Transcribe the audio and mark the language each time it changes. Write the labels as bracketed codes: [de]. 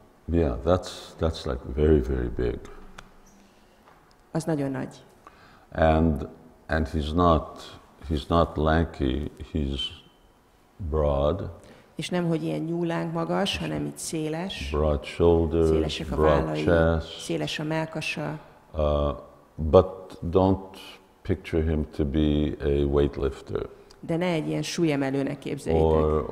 [en] That's like very, very big. [hu] Az nagyon nagy. [en] And he's not lanky, he's broad. [hu] És nem hogy ilyen nyúlánk magas, hanem így széles. [en] Broad shoulders, broad chest. [hu] Széles a mellkasa. [en] But don't picture him to be a weightlifter. [hu] De ne egy ilyen súlyemelőnek képzeljétek.